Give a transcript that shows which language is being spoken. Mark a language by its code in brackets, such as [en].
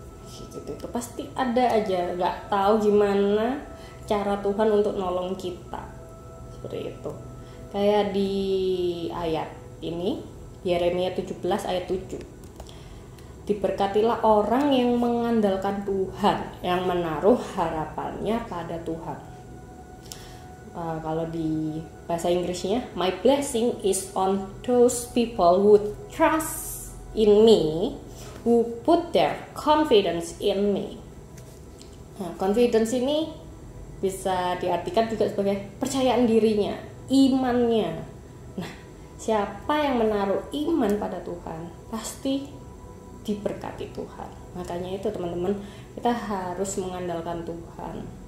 [id] Gitu itu pasti ada aja. Gak tahu gimana cara Tuhan untuk nolong kita seperti itu. Kayak di ayat ini Yeremia 17 ayat 7. Diberkatilah orang yang mengandalkan Tuhan, yang menaruh harapannya pada Tuhan. Kalau di bahasa Inggrisnya, [en] my blessing is on those people who trust in me, who put their confidence in me. [id] Nah, confidence ini bisa diartikan juga sebagai percayaan dirinya, imannya. Nah, siapa yang menaruh iman pada Tuhan, pasti diberkati Tuhan. Makanya itu teman-teman, kita harus mengandalkan Tuhan.